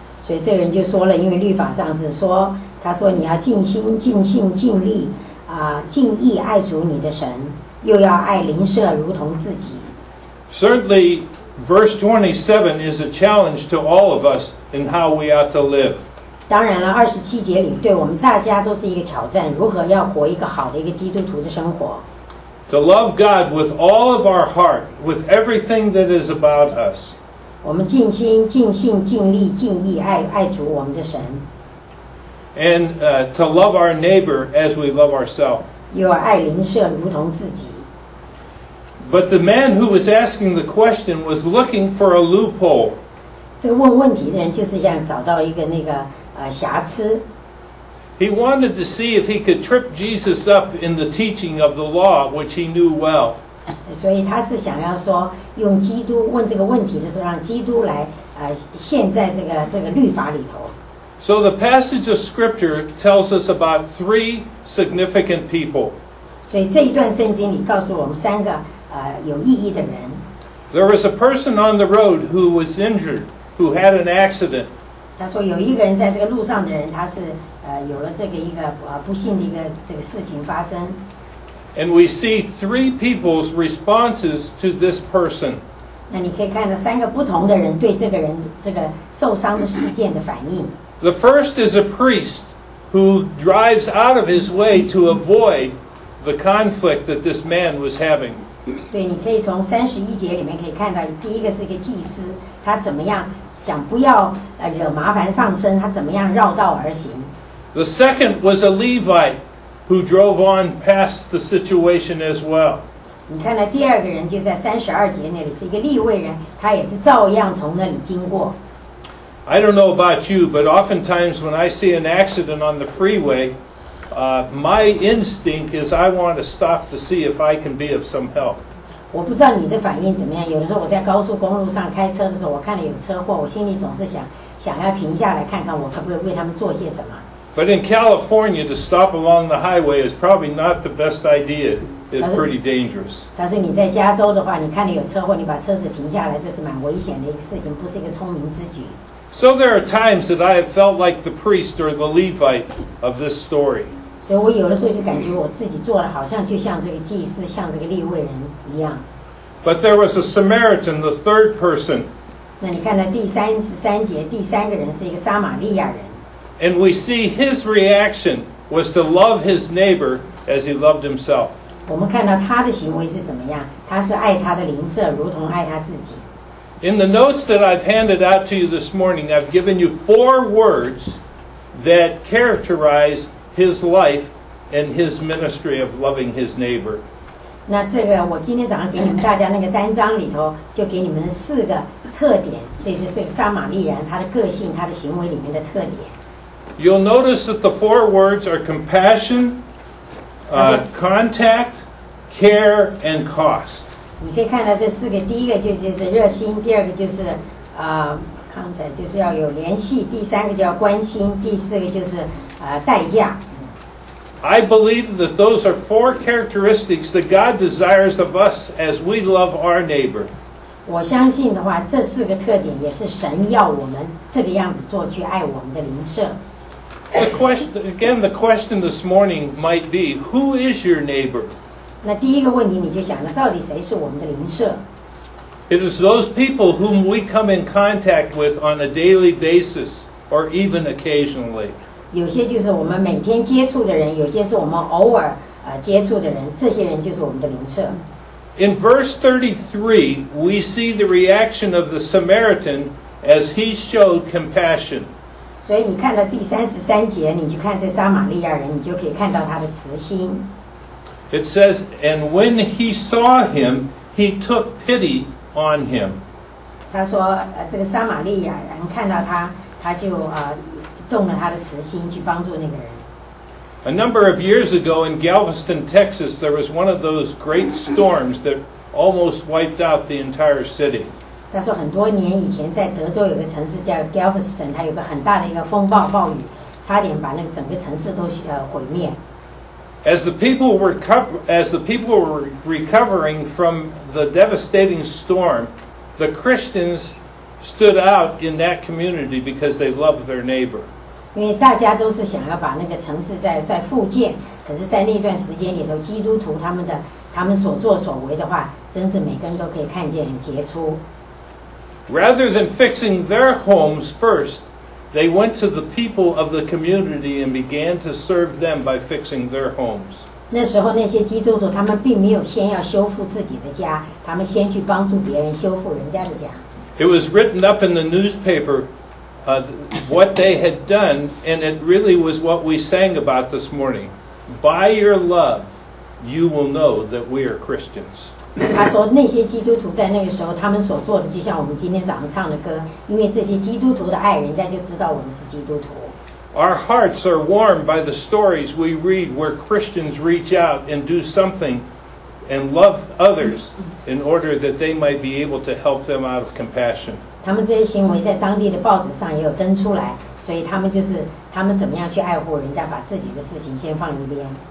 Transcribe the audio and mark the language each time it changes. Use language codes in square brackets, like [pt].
[zh] 所以这个人就说了，因为律法上是说，他说你要尽心、尽性、尽力，尽意爱主你的神，又要爱邻舍如同自己。 [en] Certainly, verse 27 is a challenge to all of us in how we ought to live. [zh] 当然了，二十七节里对我们大家都是一个挑战，如何要活一个好的一个基督徒的生活。 [en] To love God with all of our heart, with everything that is about us. [zh] 我们尽心、尽性、尽力、尽意爱主我们的神。 [en] And to love our neighbor as we love ourselves. [zh] 又爱邻舍如同自己。 [en] But the man who was asking the question was looking for a loophole. [zh] 这个问问题的人就是想找到一个那个瑕疵。 [en] He wanted to see if he could trip Jesus up in the teaching of the law, which he knew well. [zh] 所以他是想要说，用基督问这个问题的时候，让基督来陷在这个律法里头。 [en] So the passage of Scripture tells us about three significant people. [zh] 所以这一段圣经里告诉我们三个有意义的人。 [en] There was a person on the road who was injured, who had an accident. [zh] 他说有一个人在这个路上的人，他是。有了这个一个不幸的一个这个事情发生。 [en] And we see three people's responses to this person. [zh] 那你可以看到三个不同的人对这个人这个受伤的事件的反应。 [en] The first is a priest who drives out of his way to avoid the conflict that this man was having. [zh] 对，你可以从三十一节里面可以看到，第一个是一个祭司，他怎么样想不要惹麻烦上身，他怎么样绕道而行。 [en] The second was a Levite who drove on past the situation as well. [zh] 你看到第二个人就在32节那里是一个利未人，他也是照样从那里经过。 [en] I don't know about you, but oftentimes when I see an accident on the freeway, my instinct is I want to stop to see if I can be of some help. [zh] 我不知道你的反应怎么样。有的时候我在高速公路上开车的时候，我看到有车祸，我心里总是想要停下来看看我可不可以为他们做些什么。 [en] But in California, to stop along the highway is probably not the best idea. It's pretty dangerous. [zh] 但是你在加州的话，你看到有车祸，你把车子停下来，这是蛮危险的一个事情，不是一个聪明之举。 [en] So there are times that I have felt like the priest or the Levite of this story. [zh] 所以我有的时候就感觉我自己做的好像就像这个祭司，像这个利未人一样。 [en] But there was a Samaritan, the third person. [zh] 那你看到第三节第三个人是一个撒玛利亚人。 [en] And we see his reaction was to love his neighbor as he loved himself. [zh] 我们看到他的行为是怎么样？他是爱他的邻舍，如同爱他自己。 [en] In the notes that I've handed out to you this morning, I've given you four words that characterize his life and his ministry of loving his neighbor. [zh] 那这个我今天早上给你们大家那个单章里头就给你们四个特点，这就是这个撒玛利人他的个性，他的行为里面的特点。 [en] You'll notice that the four words are compassion, contact, care, and cost. [zh] 你可以看到这四个，第一个就是热心，第二个就是contact， 就是要有联系，第三个叫关心，第四个就是代价。 [en] I believe that those are four characteristics that God desires of us as we love our neighbor. [zh] 我相信的话，这四个特点也是神要我们这个样子做，去爱我们的邻舍。 [en] The question this morning might be, who is your neighbor? [zh] 那第一个问题你就想了，到底谁是我们的邻舍？ [en] It is those people whom we come in contact with on a daily basis or even occasionally. [zh] 有些就是我们每天接触的人，有些是我们偶尔接触的人，这些人就是我们的邻舍。 [en] In verse 33, we see the reaction of the Samaritan as he showed compassion. [zh] 所以你看到第三十三节，你就看这撒玛利亚人，你就可以看到他的慈心。 [en] It says, and when he saw him, he took pity on him. [zh] 他说，这个撒玛利亚人看到他，他就动了他的慈心去帮助那个人。 [en] A number of years ago in Galveston, Texas, there was one of those great storms that almost wiped out the entire city. [zh] 他说很多年以前在德州有个城市叫 Galveston， 它有个很大的一个风暴暴雨，差点把那个整个城市都毁灭。 [en] As the people were recovering from the devastating storm, the Christians stood out in that community because they loved their neighbor. [zh] 因为大家都是想要把那个城市在复建，可是在那段时间里头，基督徒他们所作所为的话，真是每个人都可以看见很杰出。 [en] Rather than fixing their homes first, they went to the people of the community and began to serve them by fixing their homes. [zh] 那时候那些基督徒他们并没有先要修复自己的家，他们先去帮助别人修复人家的家。 [en] It was written up in the newspaper, what they had done, and it really was what we sang about this morning. By your love, you will know that we are Christians. [zh] 他说那些基督徒在那个时候他们所做的就像我们今天早上唱的歌，因为这些基督徒的爱，人家就知道我们是基督徒。 [en] Our hearts are warmed by the stories we read where Christians reach out and do something and love others in order that they might be able to help them out of compassion. [zh] 他们这些行为在当地的报纸上也有登出来，所以他们怎么样去爱护人家，把自己的事情先放一边。